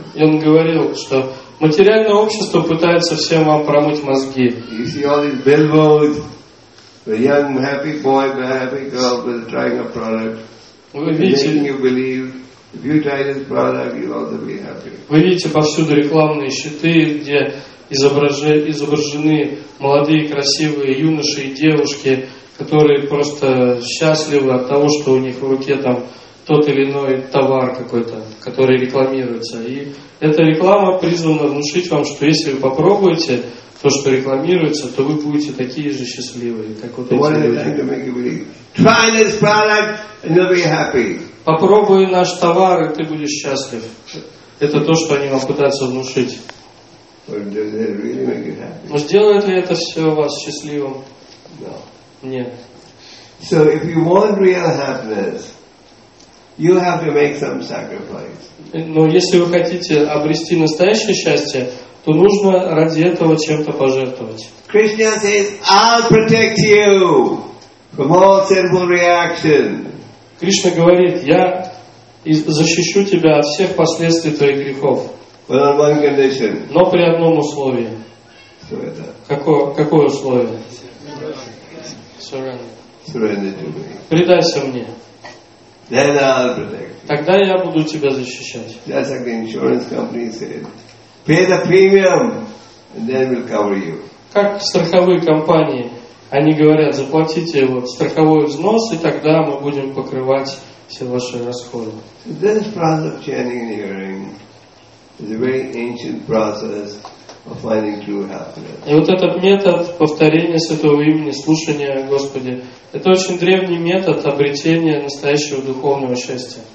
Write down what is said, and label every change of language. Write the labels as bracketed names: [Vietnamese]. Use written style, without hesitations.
[Russian] И он говорил, что материальное общество пытается всем вам промыть мозги. [English] You see all these billboards. The young happy boy, the happy girl was trying a product. Making you believe, if you try this product, you'll also be happy. [Russian] Вы видите повсюду рекламные щиты, где изображены молодые красивые юноши и девушки, которые просто счастливы от того, что у них в руке там тот или иной товар какой-то, который рекламируется. И эта реклама призвана внушить вам, что если вы попробуете то, что рекламируется, то вы будете такие же счастливые, как вот эти люди. Попробуй наш товар, и ты будешь счастлив. Это то, что они вам пытаются внушить. Но сделает ли это все вас счастливым? Нет. [English] So if you want real happiness, you have to make some sacrifice. [Russian] Но если вы хотите обрести настоящее счастье, то нужно ради этого чем-то пожертвовать. [English] Krishna says, I'll protect you from all sinful reaction. [Russian] Кришна говорит: я защищу тебя от всех последствий твоих грехов. [English] But on one condition. [Russian] Но при одном условии. Какое условие? [English] Surrender to me. [Russian] Предайся мне. [English] Then I'll protect you. [Russian] Тогда я буду тебя защищать. [English] That's like the insurance company said. Pay the premium, and then we'll cover you. [Russian] Как страховые компании, они говорят: заплатите вот страховой взнос, и тогда мы будем покрывать все ваши расходы. [English] This process of chanting and hearing is a very ancient process of finding true happiness. [Russian] И вот этот метод повторения святого имени, слушания Господи, это очень древний метод обретения настоящего духовного счастья.